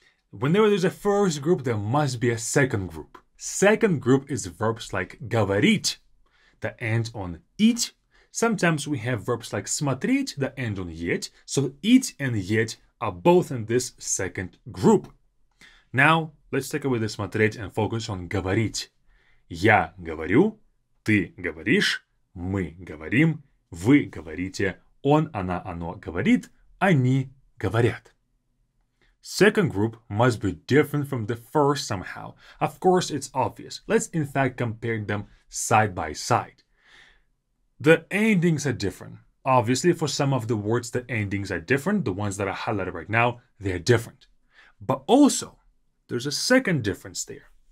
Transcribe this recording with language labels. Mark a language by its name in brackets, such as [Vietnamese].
[English] Whenever there's a first group, there must be a second group. Second group is verbs like говорить, that end on it. Sometimes we have verbs like смотреть, that end on it. So it and it are both in this second group. Now, let's take away the смотреть and focus on говорить. [Russian] Я говорю, ты говоришь, мы говорим, вы говорите, он, она, оно говорит, они говорят. [English] Second group must be different from the first somehow. Of course, it's obvious. Let's in fact compare them side by side. The endings are different. Obviously, for some of the words, the endings are different. The ones that are highlighted right now, they're different. But also, there's a second difference there.